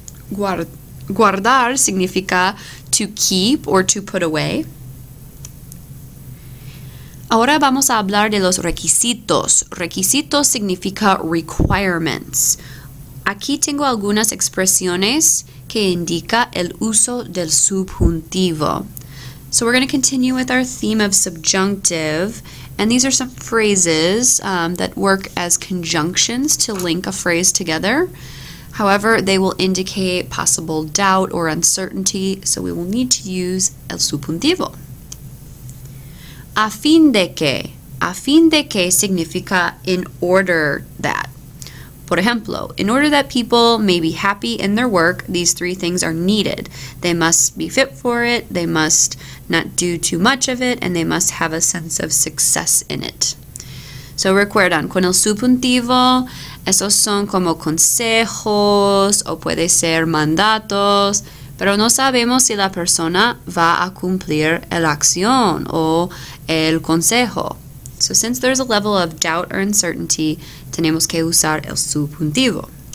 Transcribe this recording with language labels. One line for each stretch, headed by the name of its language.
Spanish: Guardar significa
English: to keep or to put away.
Spanish: Ahora vamos a hablar de los requisitos. Requisitos significa requirements. Aquí tengo algunas expresiones que indica el uso del subjuntivo.
English: So we're going to continue with our theme of subjunctive. And these are some phrases that work as conjunctions to link a phrase together. However, they will indicate possible doubt or uncertainty, so we will need to use
Spanish: el subjuntivo. A fin de que significa
English: in order that.
Spanish: Por ejemplo,
English: in order that people may be happy in their work, these three things are needed. They must be fit for it, they must not do too much of it, and they must have a sense of success in it.
Spanish: So recuerdan, con el subjuntivo, esos son como consejos o puede ser mandatos, pero no sabemos si la persona va a cumplir la acción o el consejo.
English: So since there's a level of doubt or uncertainty,
Spanish: tenemos que usar el subjuntivo.